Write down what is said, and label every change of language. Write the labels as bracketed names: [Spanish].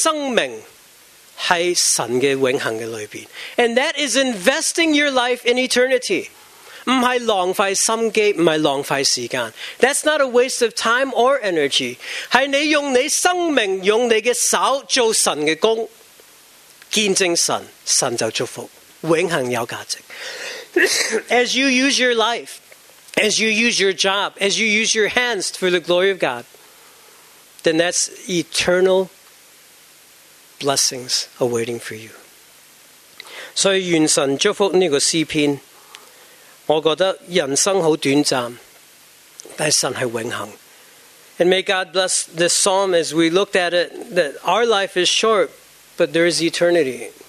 [Chinese] 这个就是投资你生命在神的永恒里面, [English] and that is investing your life in eternity. [Chinese] 不是浪费心机,不是浪费时间, [English] that's not a waste of time or energy. [Chinese] 是你用你生命,用你的手做神的工, 见证神,神就祝福, 永恒有价值。 [English] As you use your life, as you use your job, as you use your hands for the glory of God, then that's eternal blessings awaiting for you. [Chinese] 所以愿神祝福这个诗篇, 我觉得人生很短暂,但神是永恒。 [English] And may God bless this psalm as we looked at it, that our life is short, but there is eternity.